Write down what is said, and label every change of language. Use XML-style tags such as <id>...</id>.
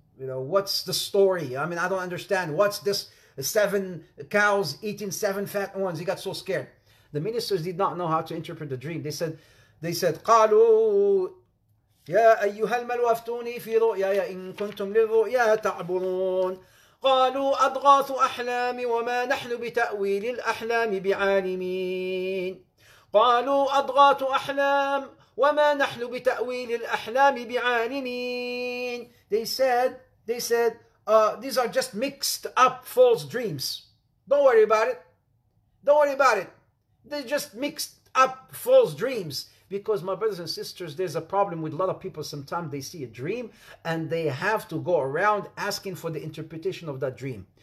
<en>You know, what's the story? I mean, I don't understand. What's this? Seven cows eating seven fat ones. He got so scared. The ministers did not know how to interpret the dream. They said,</en> <ar>قالوا يا أيها الملأ أفتوني في رؤياي إن كنتم للرؤيا تعبرون. قالوا أضغاث أحلام وما نحن بتأويل الأحلام بعالمين. قالوا أضغاث أحلام وما نحن بتأويل الأحلام بعالمين.</ar> <en>They said, these are just mixed up false dreams. Don't worry about it. Don't worry about it. They just mixed up false dreams. Because my brothers and sisters, there's a problem with a lot of people. Sometimes they see a dream and they have to go around asking for the interpretation of that dream.</en>